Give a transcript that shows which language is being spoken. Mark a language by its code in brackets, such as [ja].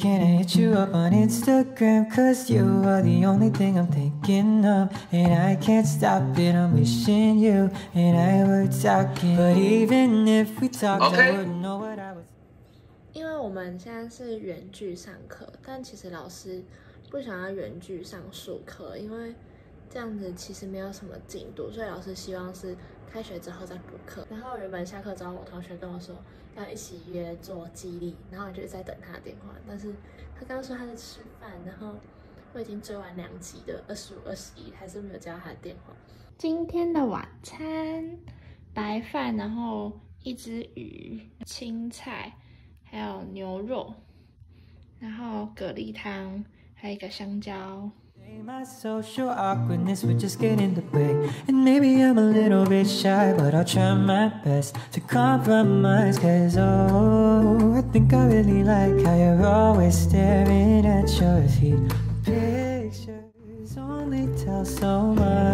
[en] Can I hit you up on Instagram? Cause you are the only thing I'm thinking of. And I can't stop it. I'm wishing you and I were talking. But even if we talked, I wouldn't know what I was. [zh] 因为我们现在是远距上课，但其实老师不想要远距上数课，因为这样子其实没有什么进度，所以老师希望是开学之后再补课。然后原本下课找我同学跟我说要一起约做激励，然后我就在等他的电话，但是他刚刚说他在吃饭，然后我已经追完两集的25、21还是没有接到他的电话。今天的晚餐白饭，然后一只鱼、青菜还有牛肉，然后蛤蜊汤还有一个香蕉。 [en] My social awkwardness would just get in the way, and maybe I'm a little bit shy, but I'll try my best to compromise. Cause oh, I think I really like how you're always staring at your feet. Pictures only tell so much.